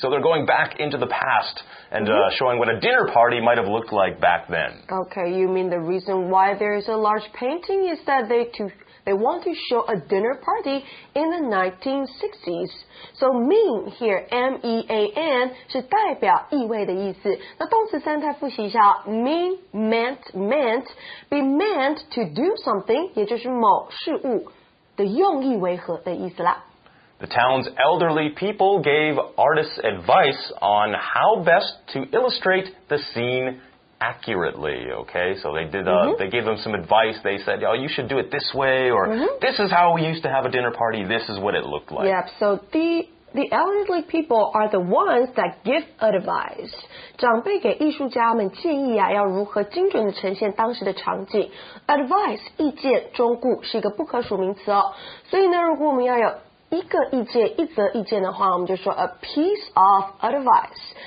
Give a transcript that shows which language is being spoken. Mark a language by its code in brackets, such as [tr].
[en] So they're going back into the past and mm-hmm. Showing what a dinner party might have looked like back then. Okay, you mean the reason why there is a large painting is that they want to show a dinner party in the 1960s. So mean here, M-E-A-N, [zh] 是代表意味的意思。那动词三态复习一下。 [en] Mean, meant, be meant to do something, [zh] 也就是某事物的用意为何的意思啦。 [en] The town's elderly people gave artists advice on how best to illustrate the scene accurately, okay? So they did, mm-hmm. they gave them some advice. They said, oh, you should do it this way, or mm-hmm. this is how we used to have a dinner party. This is what it looked like. Yep, so the elderly people are the ones that give advice. [zh] 长辈给艺术家们建议啊，要如何精准地呈现当时的场景。 Advice, 意见、忠告是一个不可数名词哦。所以呢，如果我们要有一个意见、一则意见的话，我们就说 a piece of advice。